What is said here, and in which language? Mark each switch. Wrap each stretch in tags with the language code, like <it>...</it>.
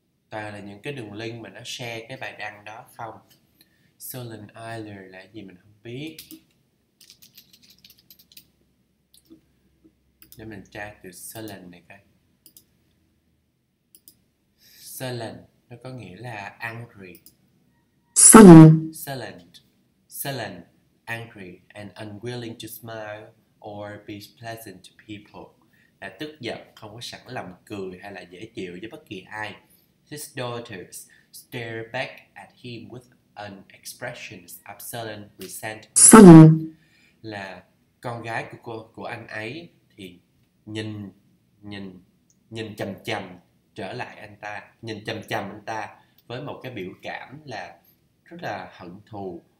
<vi>Toàn là những cái đường link mà nó share cái bài đăng đó không. Sullen Idler là gì mình không biết. Để mình tra từ sullen này coi. Sullen nó có nghĩa là angry.</vi> <en>Sullen. Sullen. Sullen. Angry and unwilling to smile or be pleasant to people.</en> <vi>Là tức giận, không có sẵn lòng cười hay là dễ chịu với bất kỳ ai.</vi> <en>His daughters stare back at him with an expression of sullen resentment. Sullen.</en> <vi>Là con gái của cô, của anh ấy thì nhìn chằm chằm trở lại anh ta, nhìn chằm chằm anh ta với một cái biểu cảm là rất là hận thù.</vi>